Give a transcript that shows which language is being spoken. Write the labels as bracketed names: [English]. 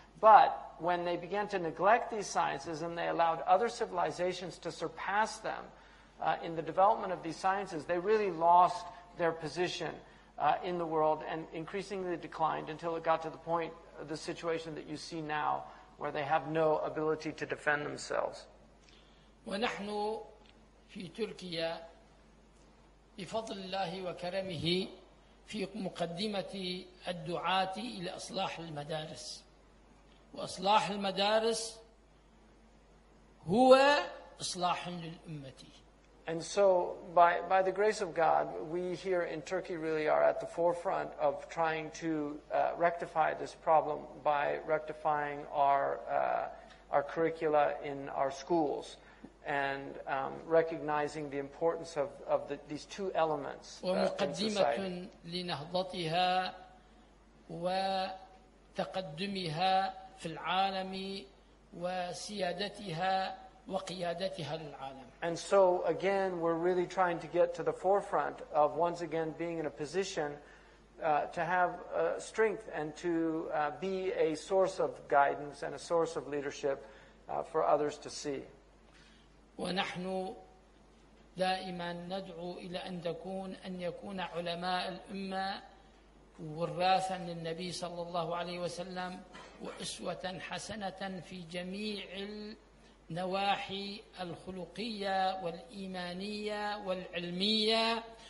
[English] But when they began to neglect these sciences and they allowed other civilizations to surpass them in the development of these sciences, they really lost their position in the world and increasingly declined until it got to the point, the situation that you see now, where they have no ability to defend themselves. [Arabic] وَنَحْنُ فِي تُرْكِيَا بِفَضْلِ اللَّهِ وَكَرَمِهِ فِي مُقَدِّمَةِ الدُّعَاةِ إِلَى أَصْلَاحِ الْمَدَارِسِ وأصلاح المدارس هو إصلاح للأمة. [English] And so, by the grace of God, we here in Turkey really are at the forefront of trying to rectify this problem by rectifying our curricula in our schools and recognizing the importance of these two elements in society. [Arabic] ومقدمة لنهضتها وتقدمها في العالم وسيادتها وقيادتها للعالم. [English] And so again, we're really trying to get to the forefront of once again being in a position to have strength and to be a source of guidance and a source of leadership for others to see. [Arabic] ونحن دائما ندعو إلى أن تكون أن يكون علماء الأمة وراثا للنبي صلى الله عليه وسلم وأسوة حسنة في جميع النواحي الخلقية والإيمانية والعلمية